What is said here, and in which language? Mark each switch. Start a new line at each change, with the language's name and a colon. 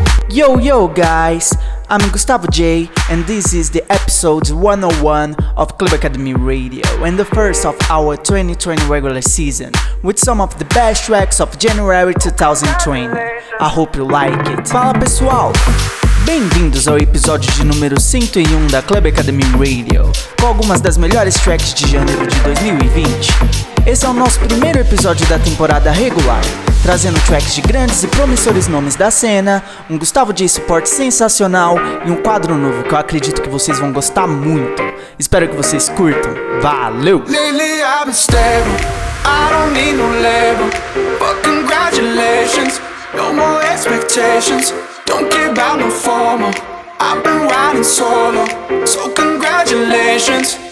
English: Yo, yo, guys, I'm Gustavo J, and this is the episode 101 of Club Academy Radio, and the first of our 2020 regular season, with some of the best tracks of January 2020. I hope you like it.
Portuguese: Fala, pessoal! Bem-vindos ao episódio de número 101 da Club Academy Radio, com algumas das melhores tracks de janeiro de 2020. Esse é o nosso primeiro episódio da temporada regular, trazendo tracks de grandes e promissores nomes da cena, um Gustavo J Support sensacional e um quadro novo que eu acredito que vocês vão gostar muito. Espero que vocês curtam. Valeu!
English: Lately I've been stable, I don't need no label, but congratulations, no more expectations, don't care about no formal, I've been riding solo, so congratulations,